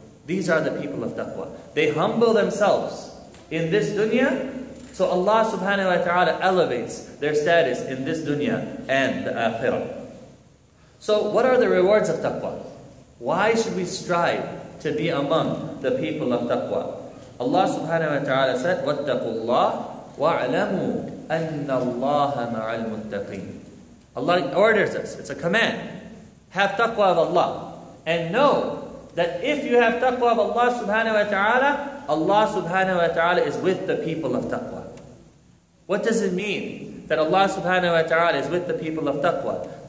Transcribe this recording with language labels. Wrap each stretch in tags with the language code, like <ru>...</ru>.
<en>These are the people of taqwa. They humble themselves in this dunya, so Allah subhanahu wa ta'ala elevates their status in this dunya and the akhirah. So what are the rewards of taqwa? Why should we strive to be among the people of taqwa? Allah subhanahu wa ta'ala said,</en> <ar>وَاتَّقُوا اللَّهِ وَاعْلَمُوا أَنَّ اللَّهَ مَعَ الْمُتَّقِينَ.</ar> <en>Allah orders us, it's a command. Have taqwa of Allah. And know that if you have taqwa of Allah subhanahu wa ta'ala, Allah subhanahu wa ta'ala is with the people of taqwa. What does it mean that Allah subhanahu wa ta'ala is with the people of taqwa?</en>